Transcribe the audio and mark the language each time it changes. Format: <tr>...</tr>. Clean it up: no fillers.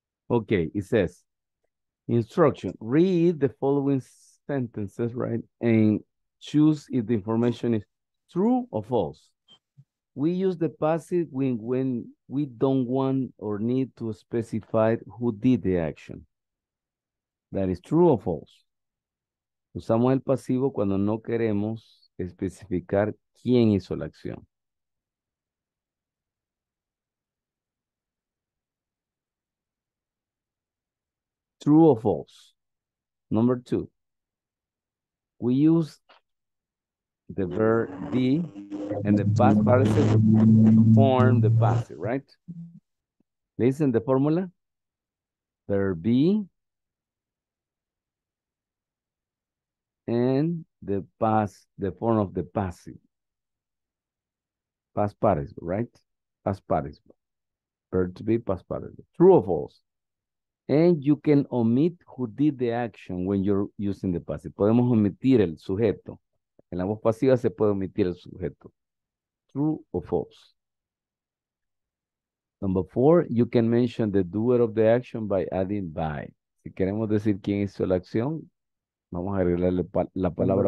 <en>Okay, it says instruction, read the following sentences, right? And choose if the information is true or false. We use the passive when we don't want or need to specify who did the action. That is true or false.</en> <es>Usamos el pasivo cuando no queremos especificar quién hizo la acción.</es> <en>True or false. Number two. We use the verb be and the past participle to form the passive, right? Listen to the formula. Verb be. And the past, the form of the passive. Past participle, right? Past participle. Verb to be, past participle. True or false? And you can omit who did the action when you're using the passive.</en> <es>Podemos omitir el sujeto. En la voz pasiva se puede omitir el sujeto.</es> <en>True or false? Number four, you can mention the doer of the action by adding by.</en> <es>Si queremos decir quién hizo la acción, vamos a agregarle la palabra</es>